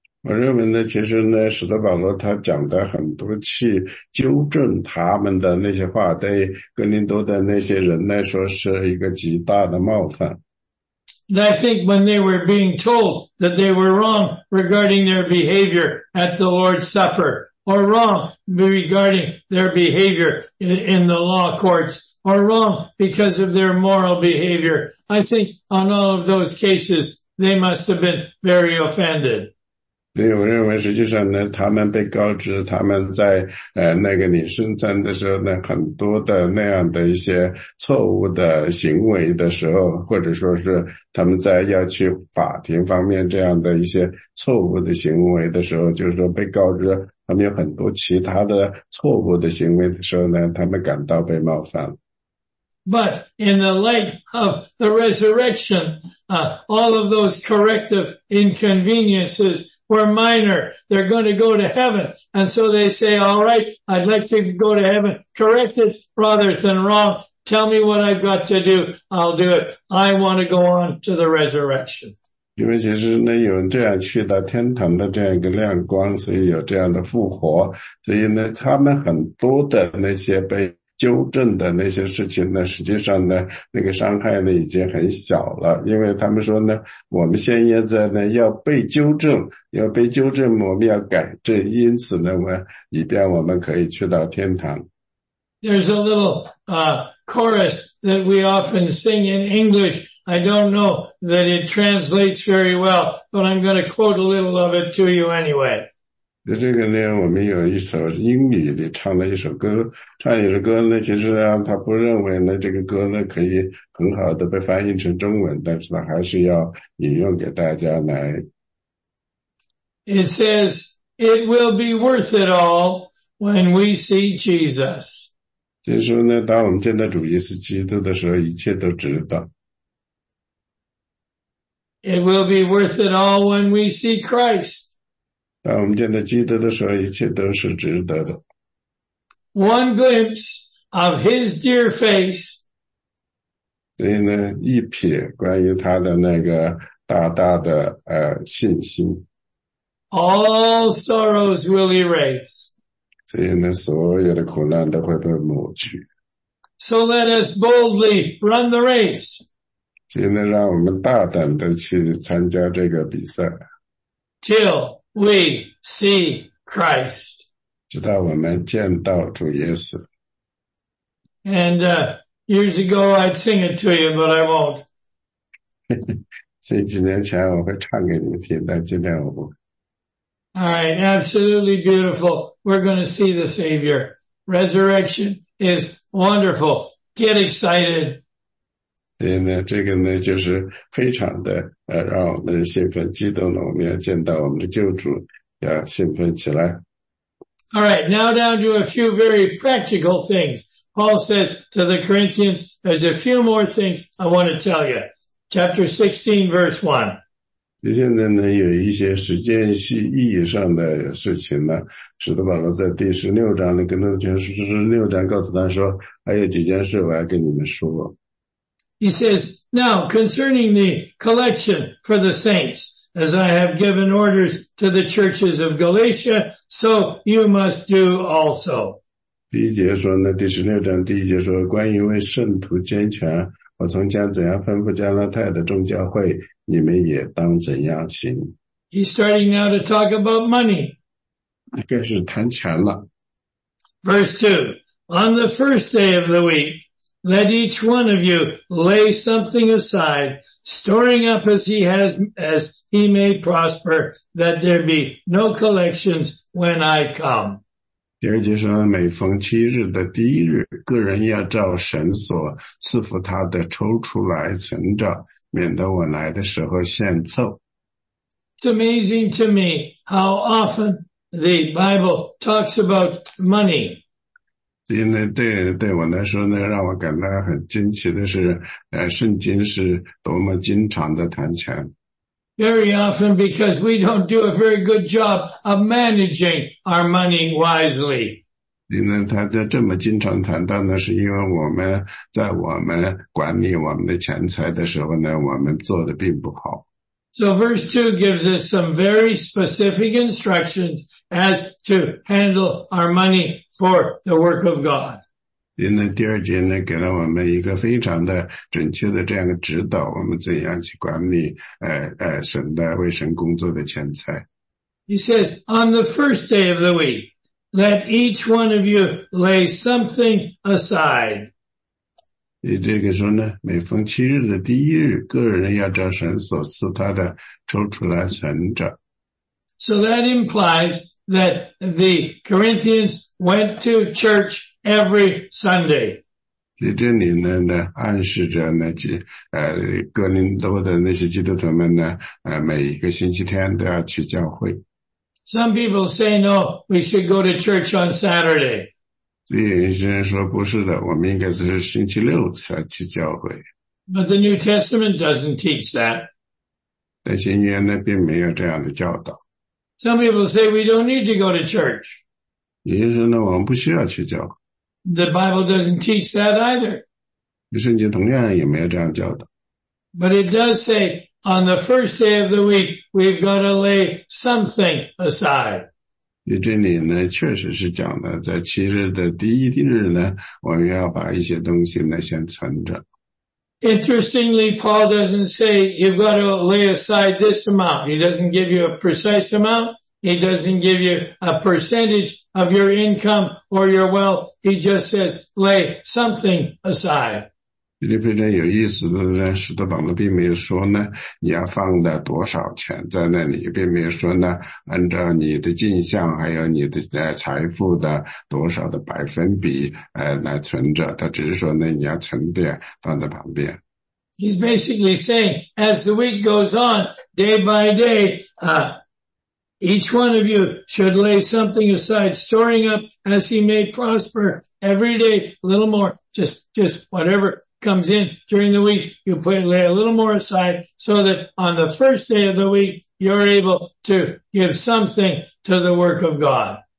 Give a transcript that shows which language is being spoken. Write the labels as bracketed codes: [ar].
[zh] 我认为呢，其实呢，使徒保罗他讲的很多去纠正他们的那些话，对哥林多的那些人来说是一个极大的冒犯。 [en] I think when they were being told that they were wrong regarding their behavior at the Lord's Supper, or wrong regarding their behavior in the law courts, or wrong because of their moral behavior, I think on all of those cases, they must have been very offended. [zh] 所以我认为实际上呢，他们被告知他们在那个领圣餐的时候呢，很多的那样的一些错误的行为的时候，或者说是他们在要去法庭方面这样的一些错误的行为的时候，就是说被告知他们有很多其他的错误的行为的时候呢，他们感到被冒犯。 [en] But in the light of the resurrection, all of those corrective inconveniences were minor. They're going to go to heaven. And so they say, all right, I'd like to go to heaven. Corrected rather than wrong. Tell me what I've got to do. I'll do it. I want to go on to the resurrection. [zh] 因为其实呢，有这样去到天堂的这样一个亮光，所以有这样的复活，所以呢，他们很多的那些被纠正的那些事情呢，实际上呢，那个伤害呢已经很小了。因为他们说呢，我们现在呢要被纠正，我们要改正，因此呢，以便我们可以去到天堂。 [en] There's a little chorus that we often sing in English. I don't know that it translates very well, but I'm going to quote a little of it to you anyway. [zh] 这个呢，我们有一首英语的唱了一首歌，唱一首歌呢，其实让他不认为呢，这个歌呢可以很好的被翻译成中文，但是还是要引用给大家来。 [en] It says, "It will be worth it all when we see Jesus." [zh] 就是说呢，当我们见到主耶稣基督的时候，一切都值得。 [en] It will be worth it all when we see Christ. [zh] 当我们见到基督的时候，一切都是值得的。 [en] One glimpse of His dear face. [zh] 所以呢，一瞥关于他的那个大大的信心。 [en] All sorrows will erase. [zh] 所以呢，所有的苦难都会被抹去。 [en] So let us boldly run the race. [zh] 现在让我们大胆地去参加这个比赛。 [en] Till we see Christ. [zh] 直到我们见到主耶稣。 [en] And, years ago I'd sing it to you, but I won't. [zh] 这几年前我会唱给你们听，但今天我不。 [en] Alright, absolutely beautiful. We're going to see the Savior. Resurrection is wonderful. Get excited. [zh] 所以呢，这个呢就是非常的让我们兴奋激动了。我们要见到我们的救主，要兴奋起来。 [en] All right, now down to a few very practical things. Paul says to the Corinthians, "There's a few more things I want to tell you." Chapter 16, verse 1. [zh] 现在呢，有一些实践性意义上的事情呢，使徒保罗在第十六章的跟他的前书十六章告诉他说，还有几件事我要跟你们说。 [en] He says, now concerning the collection for the saints, as I have given orders to the churches of Galatia, so you must do also. [zh] 第一节说呢，第十六章第一节说，关于为圣徒捐钱，我曾将怎样吩咐加拉太的众教会，你们也当怎样行。 [en] He's starting now to talk about money. [zh] 开始谈钱了。 [en] Verse 2, on the first day of the week, let each one of you lay something aside, storing up as he may prosper, that there be no collections when I come. [zh] 第二节说，每逢七日的第一日，个人要照神所赐福他的抽出来存着，免得我来的时候献凑。 [en] It's amazing to me how often the Bible talks about money. [zh] 因为对我来说呢，让我感到很惊奇的是，圣经是多么经常的谈钱。 [en] Very often because we don't do a very good job of managing our money wisely. [zh] 因为他在这么经常谈到呢，是因为我们在我们管理我们的钱财的时候呢，我们做的并不好。 [en] So verse 2 gives us some very specific instructions as to handle our money for the work of God. [zh] 因为第二节呢，给了我们一个非常的准确的这样的指导，我们怎样去管理神的为神工作的钱财。 [en] He says, on the first day of the week, let each one of you lay something aside. [zh] 你这个时候呢，每逢七日的第一日，个人要照神所赐他的抽出来存着。 [en] So that implies that the Corinthians went to church every Sunday. [zh] 在这里呢暗示着那些哥林多的那些基督徒们呢，每一个星期天都要去教会。 [en] Some people say no, we should go to church on Saturday. [zh] 所以有些人说不是的，我们应该是星期六才去教会。 [en] But the New Testament doesn't teach that. [zh] 但新约呢，并没有这样的教导。 [en] Some people say we don't need to go to church. [zh] 有些人呢，我们不需要去教会。 [en] The Bible doesn't teach that either. [zh] 圣经同样也没有这样教导。 [en] But it does say, on the first day of the week, we've got to lay something aside. [zh] 你这里呢确实是讲的在七日的第一日呢我们要把一些东西呢先存着。 [en] Interestingly, Paul doesn't say you've got to lay aside this amount. He doesn't give you a precise amount. He doesn't give you a percentage of your income or your wealth. He just says lay something aside. [zh] 这里非常有意思的呢，使徒保罗并没有说呢，你要放的多少钱在那里，并没有说呢，按照你的进项还有你的财富的多少的百分比来存着，他只是说呢，你要存点放在旁边。 [en] He's basically saying, as the week goes on, day by day, each one of you should lay something aside, storing up as he may prosper every day, a little more, just whatever. comes in during the week, you lay a little more aside so that on the first day of the week, you're able to give something to the work of God.